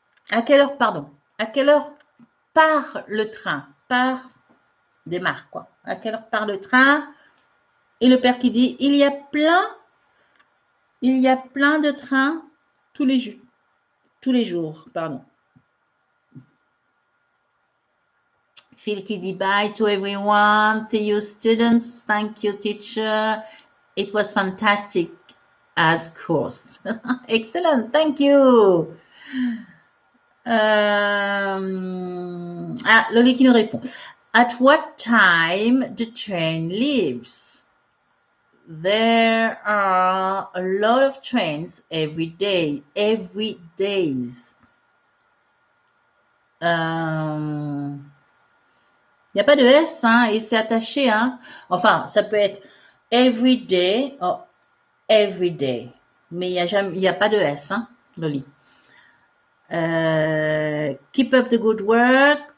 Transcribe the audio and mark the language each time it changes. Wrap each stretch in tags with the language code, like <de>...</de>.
<fr>À quelle heure, pardon, à quelle heure part le train? Part, démarre, quoi. À quelle heure part le train? Et le père qui dit, il y a plein de trains tous les jours, pardon. Phil qui dit</fr> <en>bye to everyone, to your students, thank you teacher. It was fantastic as course. Excellent, thank you.</en> <fr>Ah, Loli qui nous répond.</fr> <en>At what time the train leaves? There are a lot of trains every day, every days.</en> <fr>Il n'y a pas de S, hein, et c'est attaché, hein. Enfin, ça peut être</fr> <en>everyday, oh, everyday.</en> <fr>Mais il n'y a pas de S, hein, Loli.</fr> <en>Keep up the good work.</en>